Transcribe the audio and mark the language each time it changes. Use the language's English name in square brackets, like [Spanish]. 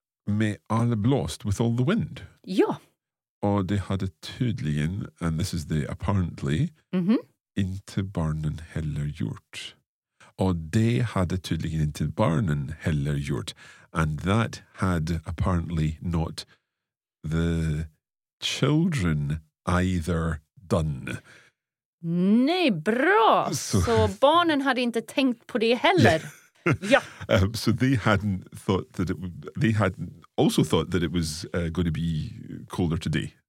[Swedish] Med alla blåst, [English] with all the wind. [Swedish] Ja. Och det hade tydligen, [English] and this is the apparently, mm-hmm. [Swedish] inte barnen heller gjort. Och det hade tydligen inte barnen heller gjort. [English] And that had apparently not the children either done. [Swedish] Nej, bra! Så barnen hade inte tänkt på det heller. Ja. [English] So they hadn't thought that it would, they hadn't also thought that it was going to be colder today.